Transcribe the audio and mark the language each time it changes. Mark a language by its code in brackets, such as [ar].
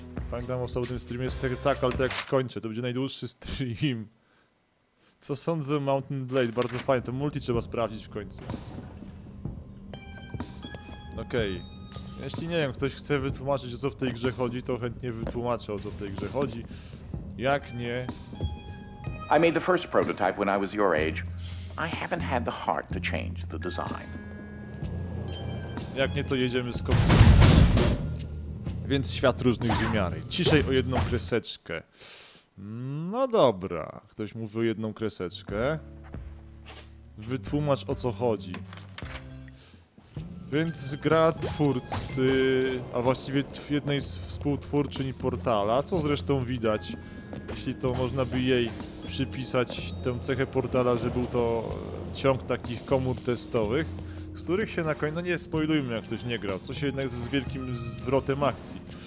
[pl] Pamiętam o osobnym streamie, tak, ale to jak skończę, to będzie najdłuższy stream. Co sądzę o Mountain Blade? Bardzo fajne, to multi trzeba sprawdzić w końcu. Okej. Okay. Jeśli nie wiem, ktoś chce wytłumaczyć, o co w tej grze chodzi, to chętnie wytłumaczę, o co w tej grze chodzi. Jak nie... [en] I made the first prototype when I was your age. I haven't had the heart to change the design. [pl] Jak nie, to jedziemy z koksem. Więc świat różnych wymiary. Ciszej o jedną kreseczkę. No dobra. Ktoś mówił o jedną kreseczkę. Wytłumacz, o co chodzi. Więc gra twórcy, a właściwie jednej z współtwórczyń Portala, co zresztą widać, jeśli to można by jej przypisać tę cechę Portala, że był to ciąg takich komór testowych, z których się na koniec, no nie spoilujmy, jak ktoś nie grał, co się jednak z wielkim zwrotem akcji.